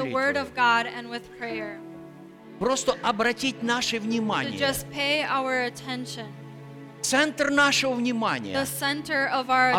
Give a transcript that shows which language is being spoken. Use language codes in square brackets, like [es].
[en] With the word of God and with prayer. [ru] Просто обратить наше внимание. [en] To just pay our attention. [ru] Центр нашего внимания. [en] The center of our attention.